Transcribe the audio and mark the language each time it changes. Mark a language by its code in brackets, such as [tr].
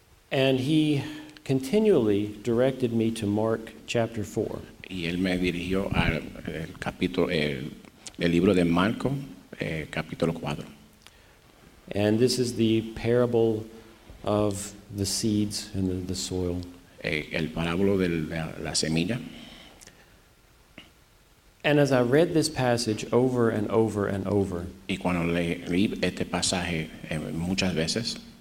[en] And he continually directed me to Mark chapter 4. [es] Y él me dirigió al el capítulo el libro de Marco capítulo 4. [en] And this is the parable of the seeds and the soil. [es] El parábolo de la semilla. [en] And as I read this passage over and over and over, [es] y cuando leí este pasaje muchas veces,